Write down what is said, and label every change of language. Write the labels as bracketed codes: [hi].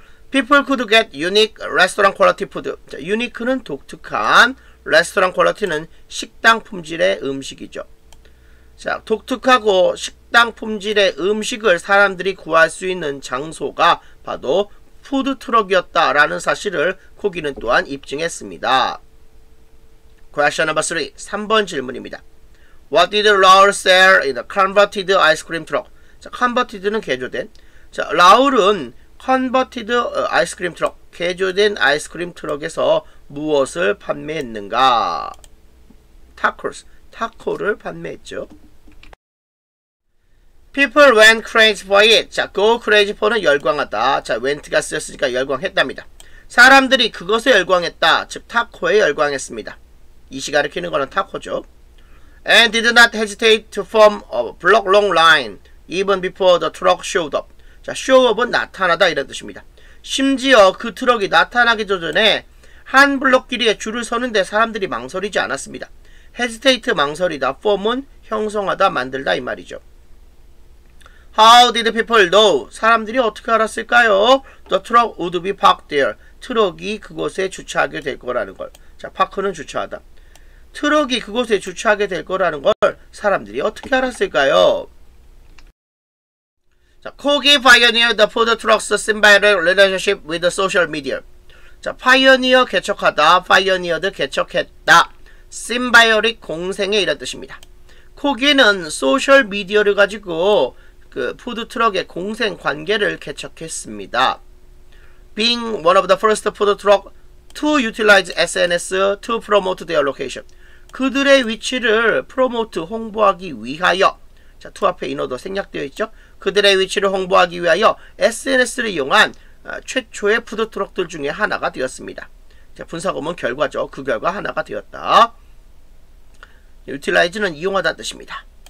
[en] People could get unique restaurant quality food. [ko] 자, unique는 독특한, restaurant quality는 식당 품질의 음식이죠. 자, 독특하고 식당 품질의 음식을 사람들이 구할 수 있는 장소가 바로 푸드트럭이었다라는 사실을 코기는 또한 입증했습니다. [en] Question number 3. [ko] 3번 질문입니다. [en] What did Raul sell in a converted ice cream truck? [ko] 자, converted는 개조된. 자, 라울은 [en] converted ice cream truck, [ko] 개조된 아이스크림 트럭에서 무엇을 판매했는가? Tacos, 타코를 판매했죠. [en] People went crazy for it. [ko] 자, go crazy for는 열광하다. 자, went가 쓰였으니까 열광했답니다. 사람들이 그것에 열광했다. 즉, 타코에 열광했습니다. 이시 가리키는 거는 타코죠. [en] And did not hesitate to form a block long line. Even before the truck showed up. [ko] 자, show up은 나타나다 이런 뜻입니다. 심지어 그 트럭이 나타나기 전에 한 블록 길이에 줄을 서는데 사람들이 망설이지 않았습니다. hesitate 망설이다. form은 형성하다 만들다 이 말이죠. [en] How did people know? [ko] 사람들이 어떻게 알았을까요? [en] The truck would be parked there. [ko] 트럭이 그곳에 주차하게 될 거라는 걸. 자, 파크는 주차하다. 트럭이 그곳에 주차하게 될 거라는 걸 사람들이 어떻게 알았을까요? [en] 자, 코기 파이어니어 더 푸드 트럭스 심바이럴 릴레이션십 위드 소셜 미디어. [ko] 자, 파이어니어 개척하다, 파이어니어드 개척했다. 심바이오릭 공생의 이런 뜻입니다. 코기는 소셜 미디어를 가지고 그 푸드 트럭의 공생 관계를 개척했습니다. [en] Being one of the first food truck to utilize SNS to promote their location. [ko] 그들의 위치를 프로모트 홍보하기 위하여. 자, 투 앞에 인어도 생략되어 있죠. 그들의 위치를 홍보하기 위하여 SNS를 이용한 최초의 푸드트럭들 중에 하나가 되었습니다. 자, 분사구문 결과죠. 그 결과 하나가 되었다. utilize는 이용하다 뜻입니다.